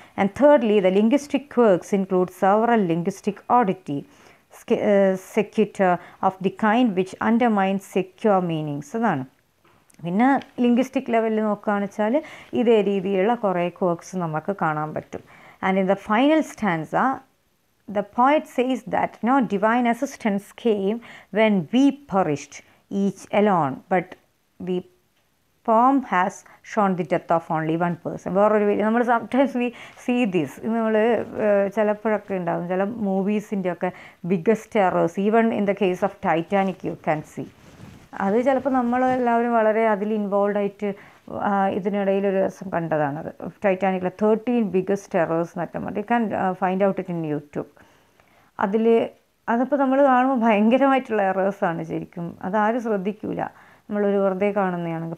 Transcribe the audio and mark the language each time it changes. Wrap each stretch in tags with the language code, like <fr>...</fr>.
<en>And thirdly the linguistic works include several linguistic oddity secular of the kind which undermine secure meanings.</en> <ml>അതാണ് പിന്നെ linguistic ലെവലിൽ നോക്കുകയാണെന്ന് വെച്ചാൽ ഇതേ രീതിയിലുള്ള കുറേ വർക്ക്സ് നമുക്ക് കാണാൻ പറ്റും.</ml> <en>And in the final stanza, the poet says that no divine assistance came when we perished each alone, but the poem has shown the death of only one person. Sometimes we see this.</en> <ml>Chalappuzhakke undaavum chala movies-inte okke</ml> <en>biggest errors, even in the case of Titanic you can see.</en> <ml>അത് ചിലപ്പോൾ നമ്മളെല്ലാവരും വളരെ അതിൽ involve ആയിട്ട് ഇതിനിടയിൽ ഒരു ദിവസം കണ്ടതാണത്, ടൈറ്റാനിക്കിലെ 13 biggest errors എന്നൊക്കെ മതി.</ml> <en>Can find out it in YouTube.</en> <ml>അതിൽ അതപ്പോൾ നമ്മൾ കാണുമ്പോൾ ഭയങ്കരമായിട്ടുള്ള എറേഴ്സാണ് ശരിക്കും, അതാരും ശ്രദ്ധിക്കില്ല, നമ്മളൊരു വെറുതെ കാണുന്നതാണെങ്കിൽ.</ml>